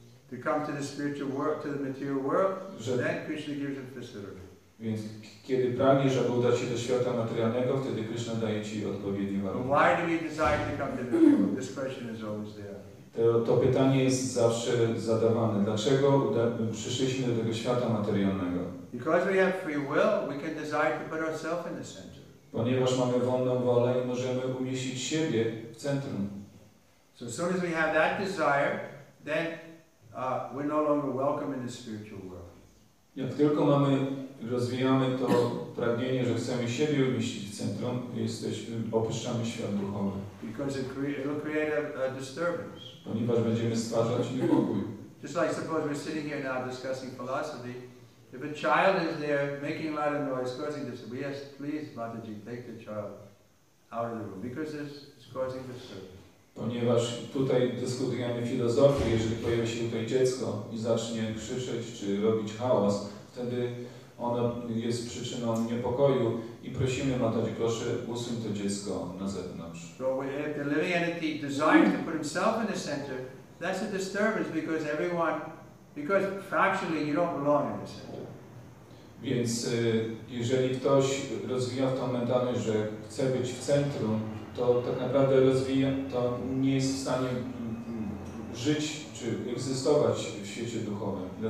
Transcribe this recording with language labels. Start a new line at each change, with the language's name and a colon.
English: to come to the spiritual world, to the material world, że, then Krishna gives him facility.
Polish: Więc kiedy pragniesz, aby udać się do świata materialnego, wtedy Krishna daje ci odpowiednie warunki.
English: Why do we desire to come to the material world? This question is always there.
Polish: To pytanie jest zawsze zadawane. Dlaczego przyszliśmy do tego świata materialnego?
English: Because we have free will, we can desire to put ourselves in the center.
Polish: Ponieważ mamy wolną wolę i możemy umieścić siebie w centrum.
English: So as soon as we have that desire, then we're no longer welcome in the spiritual world.
Polish: Jak tylko mamy, rozwijamy to pragnienie, że chcemy siebie umieścić w centrum, jesteśmy, opuszczamy świat duchowy.
English: Because it'll create a disturbance.
Polish: Ponieważ będziemy stwarzać niepokój.
English: Just like suppose we're sitting here now discussing philosophy. If a child is there making a lot of noise, causing disturbance, yes, please, Mataji, take the child out of the room. Because it's causing disturbance.
Polish: Ponieważ tutaj dyskutujemy filozofię, jeżeli pojawi się tutaj dziecko i zacznie krzyczeć czy robić hałas, wtedy ono jest przyczyną niepokoju i prosimy Mataji, proszę, usuń to dziecko na zewnątrz.
English: So if the living entity desires to put himself in the center, that's a disturbance because everyone, because factually you don't belong in the center.
Polish: Więc jeżeli ktoś rozwija tą mentalność, że chce być w centrum, to tak naprawdę rozwija, to nie jest w stanie żyć czy egzystować w świecie duchowym.